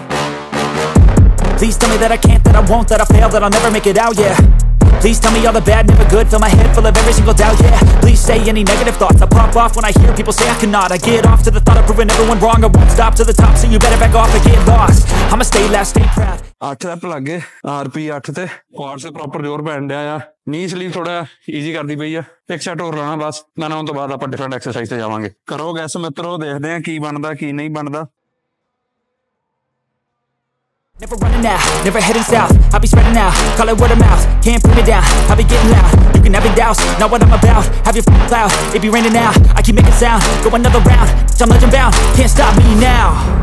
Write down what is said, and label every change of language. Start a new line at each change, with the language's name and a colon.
English: Please tell me that I can't, that I won't, that I fail, that I'll never make it out, yeah. Please tell me all the bad, never good, fill my head full of every single doubt, yeah. Please say any negative thoughts, I pop off when I hear people say I cannot. I get off to the thought of proving everyone wrong. I won't stop to the top, so you better back off or get lost. I'ma stay loud, stay proud.
Punjabi: 8 rap ਲੱਗੇ, RP 8 ਤੇ Quad ਤੇ proper ਜ਼ੋਰ ਪੈਣ ਡਿਆ ਆ। ਨੀ sleeve ਥੋੜਾ easy ਕਰਦੀ ਪਈ ਆ, ਇੱਕ ਸੈਟ ਹੋਰ ਲਾਣਾ ਬਸ, ਨਾ ਉਹ ਤੋਂ ਬਾਅਦ ਆਪਾਂ ਡਿਫਰੈਂਟ ਐਕਸਰਸਾਈਜ਼ ਤੇ ਜਾਵਾਂਗੇ। ਕਰੋ ਗੈਸ ਮਿੱਤਰੋ, ਦੇਖਦੇ ਆ ਕੀ ਬਣਦਾ ਕੀ ਨਹੀਂ ਬਣਦਾ।
English: Never running out, never heading south. I'll be spreading out, call it word of mouth. Can't put me down, I'll be getting loud. You can have your doubts, not what I'm about. Have your f***ing clout, it be raining now. I keep making sound, go another round. Bitch, I'm legend bound, can't stop me now.